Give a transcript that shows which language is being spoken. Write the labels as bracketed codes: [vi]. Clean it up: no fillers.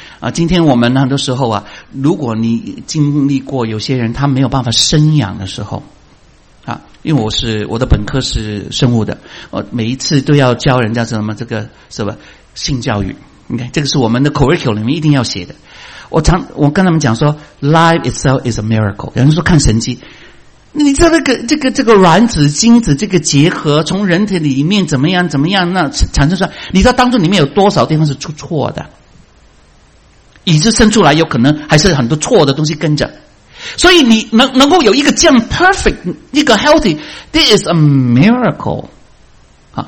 [zh] 啊，今天我们很多时候啊，如果你经历过有些人他没有办法生养的时候啊，因为我的本科是生物的，我每一次都要教人家什么这个什么性教育，你看这个是我们的 curriculum 里面一定要写的。我跟他们讲说 [en] ，life itself is a miracle。 [zh] 有人说看神迹，你知道这个卵子精子这个结合从人体里面怎么样，那产生出来，你知道当中里面有多少地方是出错的，以致生出来有可能还是很多错的东西跟着。所以你能够有一个这样 perfect 一个 healthy, [en] this is a miracle [zh] 啊。